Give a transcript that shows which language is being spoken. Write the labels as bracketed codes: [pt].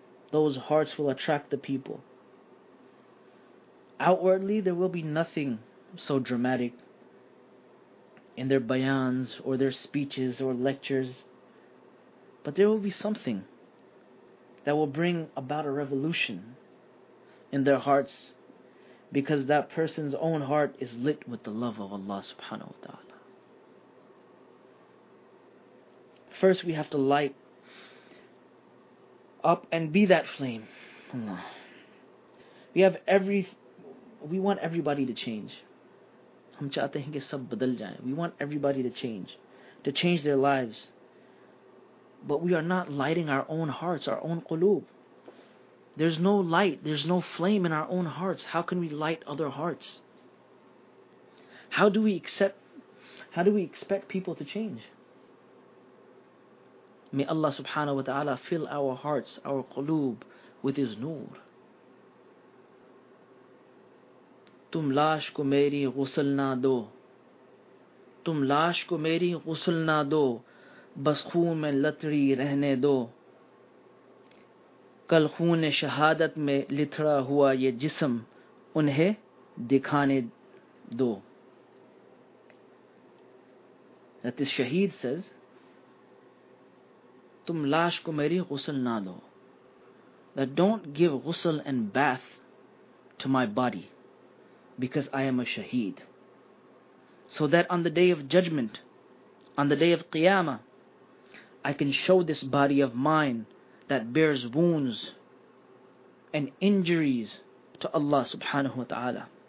[en] Those hearts will attract the people. Outwardly, there will be nothing so dramatic in their bayans or their speeches or lectures, but there will be something that will bring about a revolution in their hearts, because that person's own heart is lit with the love of Allah subhanahu wa ta'ala. First, we have to light up and be that flame. Allah. We want everybody to change. [ur] ہم چاہتے ہیں کہ سب بدل جائیں. [en] We want everybody to change their lives. But we are not lighting our own hearts our own قلوب. There is no light, there is no flame in our own hearts. How can we light other hearts? How do we expect people to change? May Allah سبحانہ و تعالی fill our hearts our قلوب with his نور. [ur] تم لاش کو میری غسل نہ دو, تم لاش کو میری غسل نہ دو, بس خون میں لتڑی رہنے دو. کل خون شہادت میں لتھڑا ہوا یہ جسم انہیں دکھانے دو. [en] That this shaheed says, [ur] تم لاش کو میری غسل نہ دو. [en] That don't give غسل and bath to my body because I am a shaheed. So that on the day of judgment, on the day of qiyamah, I can show this body of mine that bears wounds and injuries to Allah subhanahu wa ta'ala.